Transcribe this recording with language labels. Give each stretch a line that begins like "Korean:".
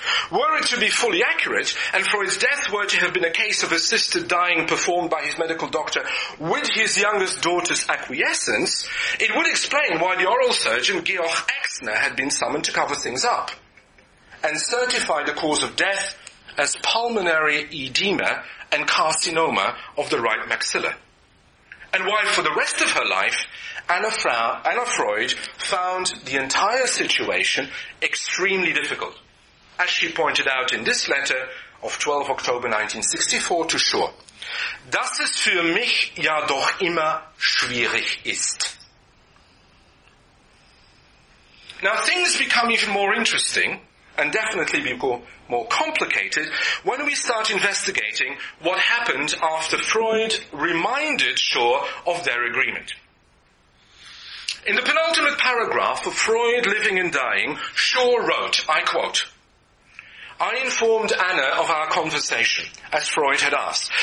English: Were it to be fully accurate, and Freud's death were to have been a case of assisted dying performed by his medical doctor with his youngest daughter's acquiescence, it would explain why the oral surgeon, Georg Exner, had been summoned to cover things up and certify the cause of death as pulmonary edema and carcinoma of the right maxilla. And why, for the rest of her life, Anna Freud found the entire situation extremely difficult, as she pointed out in this letter of 12 October 1964 to Schur.
German: Dass es für mich ja doch immer schwierig ist.
English: Now things become even more interesting, and definitely become more complicated, when we start investigating what happened after Freud reminded Schur of their agreement. In the penultimate paragraph of Freud Living and Dying, Schur wrote, I quote, I informed Anna of our conversation, as Freud had asked.